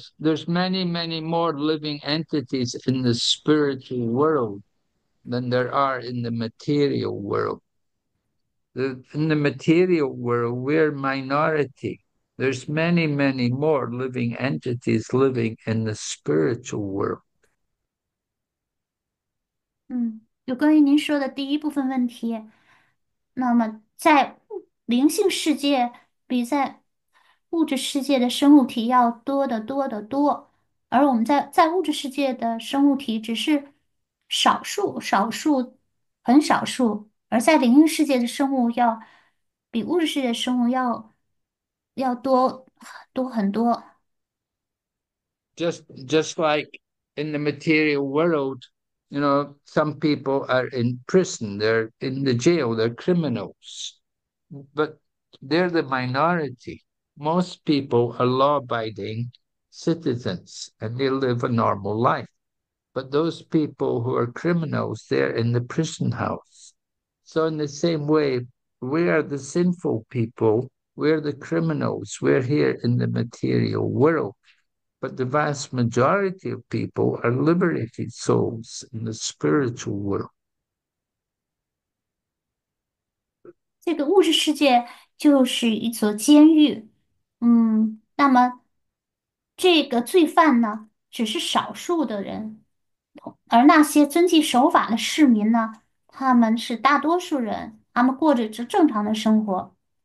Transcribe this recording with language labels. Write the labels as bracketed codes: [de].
[en] There's many more living entities in the spiritual world than there are in the material world. In the material world, we're minority. There's many more living entities living in the spiritual world. [zh] 有关于您说的第一部分问题，那么在灵性世界比在物质世界的生物体要多得多得多，而我们在物质世界的生物体只是少数少数，很少数，而在灵性世界的生物要比物质世界的生物要多多很多。 [en] Just like in the material world, some people are in prison, they're in the jail, they're criminals, but they're the minority. Most people are law-abiding citizens and they live a normal life. But those people who are criminals, they're in the prison house. So in the same way, we are the sinful people, we're the criminals, we're here in the material world. But the vast majority of people are liberated souls in the spiritual world. [zh] 这个物质世界就是一座监狱，那么这个罪犯呢，只是少数的人，而那些遵纪守法的市民呢，他们是大多数人，他们过着正常的生活。